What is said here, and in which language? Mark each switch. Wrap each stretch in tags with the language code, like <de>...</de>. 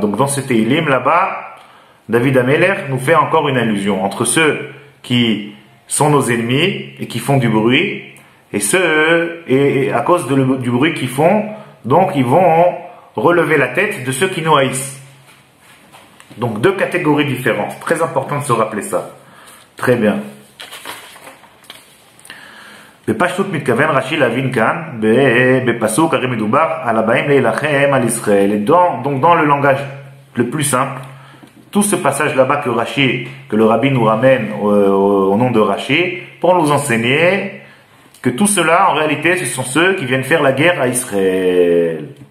<fr>Donc dans ce Tehilim là-bas, David Ameler nous fait encore une allusion entre ceux qui sont nos ennemis et qui font du bruit, et ceux, et à cause du bruit qu'ils font, donc ils vont relever la tête de ceux qui nous haïssent. Donc deux catégories différentes, très important de se rappeler ça. Très bien.</fr> <he>בפשטות מתכוון רש"י להבין כאן בפסוק הרי מדובר על הבאים להילחם על ישראל.</he> <fr>Donc dans le langage le plus simple, tout ce passage là-bas que Rashi, que le rabbi nous ramène au nom de Rashi, pour nous enseigner que tout cela en réalité ce sont ceux qui viennent faire la guerre à Israël.</fr>